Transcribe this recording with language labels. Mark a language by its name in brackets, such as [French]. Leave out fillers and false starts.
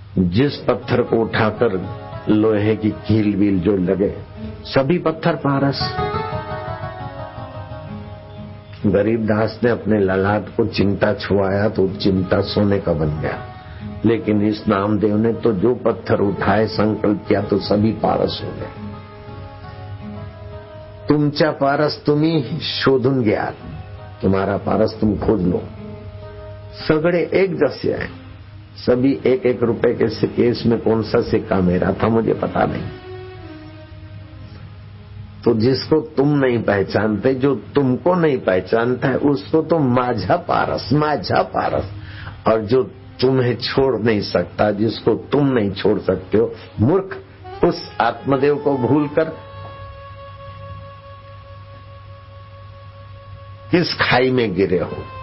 [Hindi] जिस पत्थर को उठाकर लोहे की कील वील जो लगे, सभी पत्थर पारस। गरीब दास ने अपने ललाट को चिमटा छुआया तो चिमटा सोने का बन गया, लेकिन इस नामदेव ने तो जो पत्थर उठाए संकल्प किया तो सभी पारस हो गए। [Marathi] तुमचा पारस तुम्ही शोधून घ्या, [Hindi] तुम्हारा पारस तुम खोज लो। सगड़े एक जैसे हैं, सभी एक एक रुपए के सिक्के, इसमें कौन सा सिक्का मेरा था मुझे पता नहीं। तो जिसको तुम नहीं पहचानते, जो तुमको नहीं पहचानता है, उसको तो [Marathi] माझा पारस माझा पारस, [Hindi] और जो तुम्हें छोड़ नहीं सकता, जिसको तुम नहीं छोड़ सकते हो, मूर्ख, उस आत्मदेव को भूलकर किस खाई में गिरे हो।